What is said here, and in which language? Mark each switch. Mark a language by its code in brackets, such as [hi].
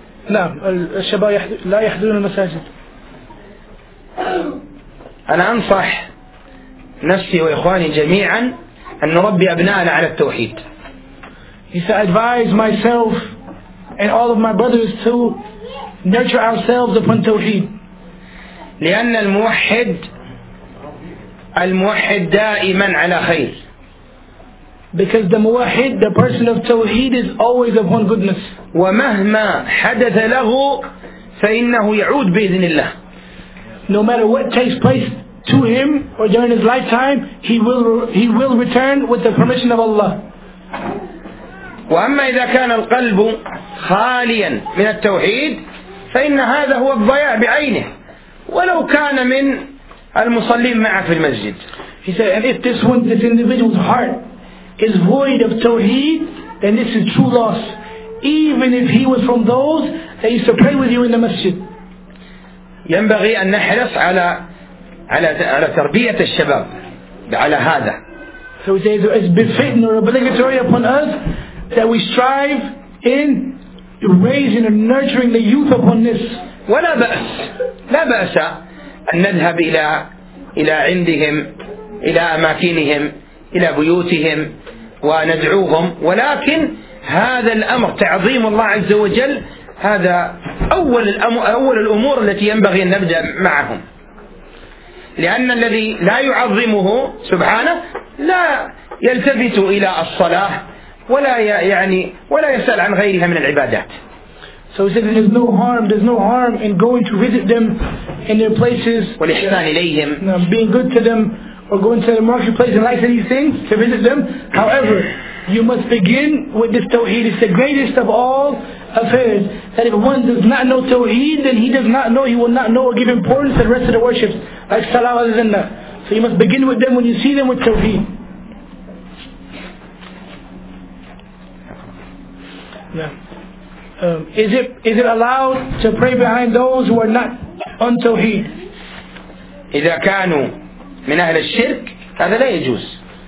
[ar] نعم الشباب لا يحضرون المساجد. أنا أنصح نفسي وإخواني جميعا أن نربي أبنائنا على التوحيد. [en] He said, advise myself and all of my brothers to nurture ourselves upon tawheed. [ar] لأن الموحد الموحد دائما على خير. [en] Because the muwahid, the person of tawheed, is always upon goodness. [ar] ومهما حدث له فإنه يعود بإذن الله. [en] No matter what takes place to him or during his lifetime, he will return with the permission of Allah. [ar] وأما إذا كان القلب خاليا من التوحيد فإن هذا هو الضياع بعينه ولو كان من المصلين معه في المسجد. [en] He said, and if this individual's heart is void of tawheed, then this is true loss, even if he was from those that used to pray with you in the masjid. [ar] ينبغي أن نحرص على تربية الشباب على هذا. [en] So he says, it's befitting or obligatory upon us that we strive in raising and nurturing the youth upon this. [ar] ولا بأس لا بأس أن نذهب إلى عندهم إلى أماكنهم إلى بيوتهم وندعوهم، ولكن هذا الأمر تعظيم الله عز وجل هذا أول الأمور التي ينبغي أن نبدأ معهم، لأن الذي لا يعظمه سبحانه لا يلتفت إلى الصلاة ولا يعني ولا يسأل عن غيرها من العبادات. [en] So he said, there's no harm in going to visit them in their places. [ar] والإحسان إليهم. [en] Being good to them or going to the marketplace and like these things to visit them. However, you must begin with this tawheed. It's the greatest of all affairs. That if one does not know tawheed, then he does not know. He will not know or give importance to the rest of the worships, like salah and zinna. So you must begin with them when you see them with tawheed. Is it allowed to pray behind those who are not on tawheed? [ar] إذا كانوا من أهل الشرك هذا لا يجوز.